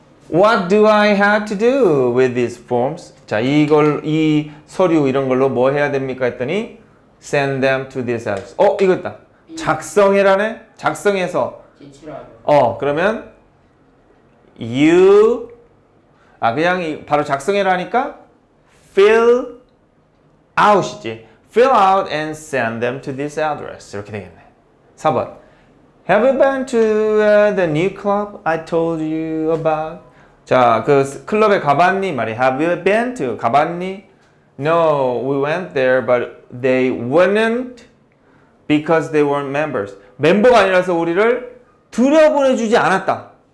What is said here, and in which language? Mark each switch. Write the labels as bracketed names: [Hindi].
[English] What do I have to do with these forms? [Korean] 자, 이걸, 이 서류 이런 걸로 뭐 해야 됩니까? 했더니 [English] send them to this address. [Korean] 어, 이거 있다. 작성해라네? 작성해서 제출하면. 그러면 you 그냥 바로 작성해라 하니까 fill out이지. [English] Fill out and send them to this address. [Korean] 이렇게 되겠네. 4번. [English] Have you been to the new club I told you about? [Korean] 자, 그 클럽에 가봤니? 말이. [English] Have you been to? [Korean] 가봤니? [English] No, we went there, but they wouldn't because they weren't members. [Korean] 멤버가 아니라서 우리를 들여보내주지 않았다.